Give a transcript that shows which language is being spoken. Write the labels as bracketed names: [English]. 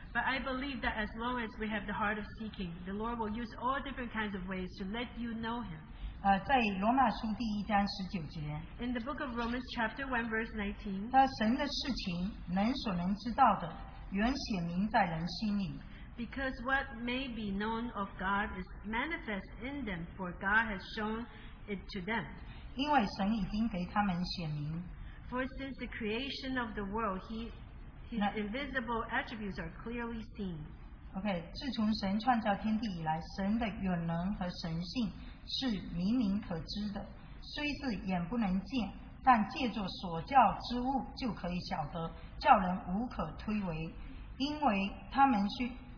[English] But I believe that as long as we have the heart of seeking, the Lord will use all different kinds of ways to let you know him. [Chinese] 在罗马书第1章19节。 [English] In the book of Romans chapter 1 verse 19. [Chinese] 他神的事情能所能知道的，原显明在人心里。 [English] Because what may be known of God is manifest in them, for God has shown it to them. [Chinese] 因为神已经给他们显明。 [English] For since the creation of the world, his invisible attributes are clearly seen. [Chinese] Okay, 自从神创造天地以来, 神的远能和神性是明明可知的, 虽是眼不能见, 但借着所教之物就可以晓得, 叫人无可推诿, 因为他们需,